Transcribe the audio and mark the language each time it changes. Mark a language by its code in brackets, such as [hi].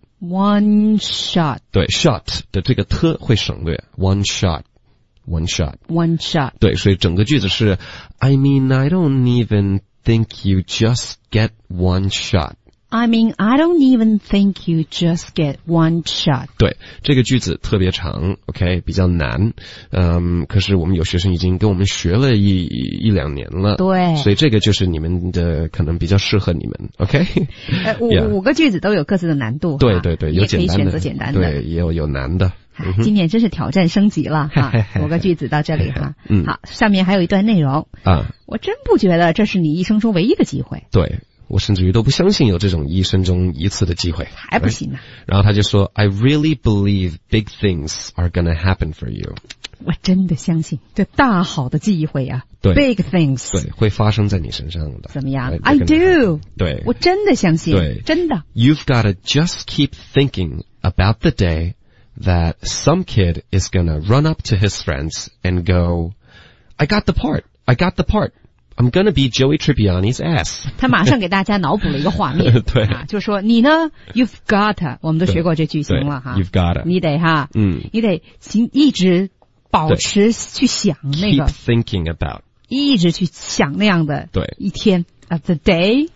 [en] one shot， [zh] 对 ，shot 的这个特会省略 ，one shot。One shot. [en] One shot. [zh] 对，所以整个句子是 [en] I mean, I don't even think you just get one shot. I mean, I don't even think you just get one shot. [zh] 对，这个句子特别长 ,OK, 比较难。可是我们有学生已经跟我们学了一两年了。对。所以这个就是你们的可能比较适合你们 ,OK? 五个句子都有各自的难度。对对对，有简单的。可以选择简单的。对，也有难的。今年真是挑战升级了哈，五个句子到这里哈，好，下面还有一段内容啊，我真不觉得这是你一生中唯一的机会，对，我甚至于都不相信有这种一生中一次的机会，还不行呢，然后他就说 [en] I really believe big things are gonna happen for you， [zh] 我真的相信这大好的机会啊，对 [en] big things， [zh] 对，会发生在你身上的，怎么样 [en] I do， [zh] 对，我真的相信，对，真的 [en] You've gotta just keep thinking about the dayThat some kid is gonna run up to his friends and go, I got the part, I got the part. I'm gonna be Joey Tribbiani's ass. [zh] 他马上给大家脑补了一个画面。对。啊、就说你呢 , [en] you've gotta, [zh] 我们都学过这句型了哈。 [en] You've gotta. [zh] 你得哈。嗯。你得一直保持去想那个。 [en] Keep thinking about. [zh] 一直去想那样的。对。一天。 [en] Of the day,